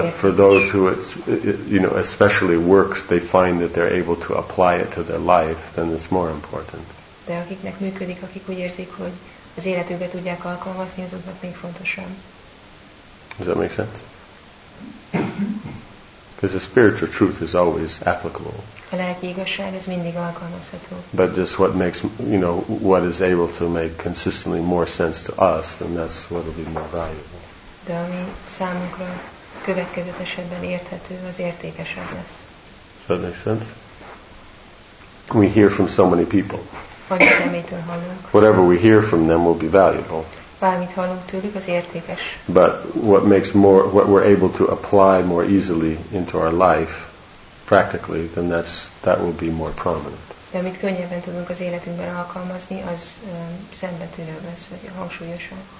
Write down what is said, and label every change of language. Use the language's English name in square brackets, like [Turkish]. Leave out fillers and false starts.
[English] But for those who it especially works, they find that they're able to apply it to their life, then it's more important. [Hungarian] De akiknek működik, akik úgy érzik, hogy az életükbe tudják alkalmazni, azoknak még fontosabb. [English] Does that make sense? Because the spiritual truth is always applicable. [Hungarian] A lelki igazság ez mindig alkalmazható. [English] But just what makes, you know, what is able to make consistently more sense to us, then that's what will be more valuable. [Hungarian] De ami számunkra következetesebben érthető, az értékesebb lesz. [English] Does that make sense? We hear from so many people. [Hungarian] Annyi szemétől hallunk. [English] Whatever we hear from them will be valuable. [Hungarian] Bármit hallunk tőlük, az értékes. [English] But what makes more, what we're able to apply more easily into our life, practically, then that will be more prominent. [Hungarian] De amit könnyebben tudunk az életünkben alkalmazni, az szembetűnőbb lesz, vagy hangsúlyosan.